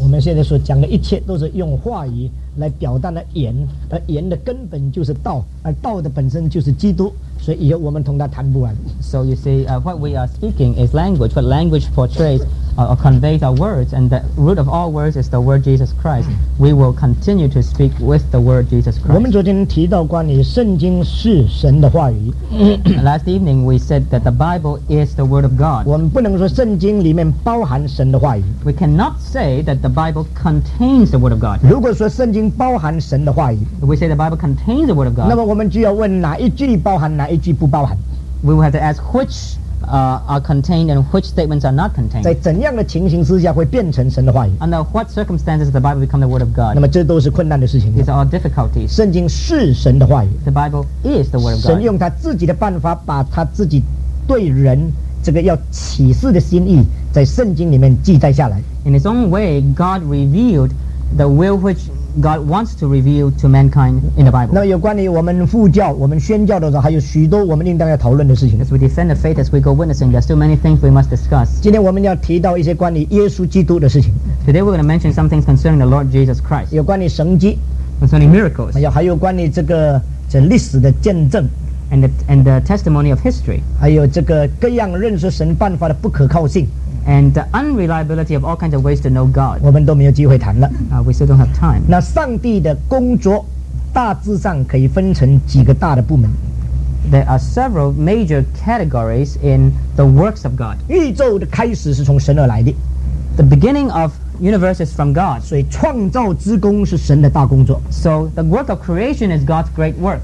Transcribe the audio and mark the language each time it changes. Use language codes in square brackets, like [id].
[zh] 我们现在所讲的一切都是用话语来表达的言，而言的根本就是道，而道的本身就是基督，所以我们同他谈不完。 [en] So you see, what we are speaking is language. What language portrays or conveys our words, and the root of all words is the word Jesus Christ. We will continue to speak with the word Jesus Christ. [zh] 我们昨天提到关于圣经是神的话语。 [en] Last evening we said that the Bible is the word of God. [zh] 我们不能说圣经里面包含神的话语。 [en] We cannot say that the Bible contains the word of God. [zh] 如果说圣经包含神的话语， [en] we say the Bible contains the word of God. [zh] 那么我们就要问哪一句包含，哪一句不包含。 [en] We will have to ask which are contained and which statements are not contained. [zh] 在怎样的情形之下会变成神的话语？ [en] Under what circumstances the Bible become the word of God? [zh] 那么这都是困难的事情。 [en] These are all difficulties. [zh] 圣经是神的话语。 [en] The Bible is the word of God. [zh] 神用他自己的办法把他自己对人这个要启示的心意在圣经里面记载下来。 [en] In his own way, God revealed the will which God wants to reveal to mankind in the Bible. [zh] 那么有关于我们护教，我们宣教的时候，还有许多我们应当要讨论的事情。 [en] As we defend the faith, as we go witnessing, there are still many things we must discuss. [zh] 今天我们要提到一些关于耶稣基督的事情。 [en] Today we're going to mention some things concerning the Lord Jesus Christ. [zh] 有关于神迹 [en] ，concerning miracles. [zh] 还有关于这历史的见证 [en] ，and the testimony of history. [zh] 还有这个各样认识神办法的不可靠性。 [en] And the unreliability of all kinds of ways to know God. [zh] 我们都没有机会谈了。 [en] We still don't have time. [zh] 那上帝的工作大致上可以分成几个大的部门。 [en] There are several major categories in the works of God. [zh] 宇宙的开始是从神而来的。 [en] The beginning of universe is from God. [zh] 所以创造之工是神的大工作。 [en] So the work of creation is God's great work.